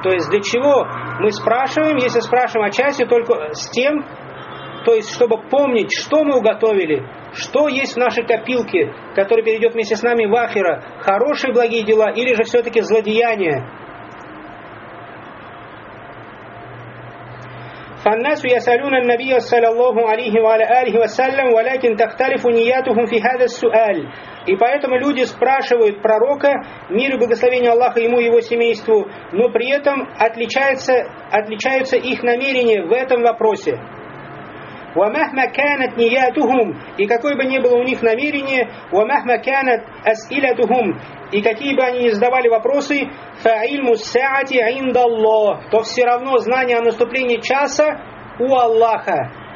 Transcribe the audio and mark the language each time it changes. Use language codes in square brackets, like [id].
[ru] То есть, для чего мы спрашиваем, если спрашиваем о часе, только с тем, то есть, чтобы помнить, что мы уготовили, что есть в нашей копилке, которая перейдет вместе с нами в ахира, хорошие благие дела или же все-таки злодеяния? [ar] فالناس يسألون النبي صلى الله عليه وعلى آله وسلم ولكن تختلف نياتهم في هذا السؤال. [ru] И поэтому люди спрашивают пророка, мир и благословение Аллаха ему и его семейству, но при этом отличаются их намерения в этом вопросе. [ar] ومهما كانت نياتهم, [ru] и какое бы ни было у них намерение, [ar] ومهما كانت أسئلتهم, [ru] и какие бы они ни задавали вопросы, [ar] فعلم الساعة عند الله, [ru] то все равно знание о наступлении часа у Аллаха.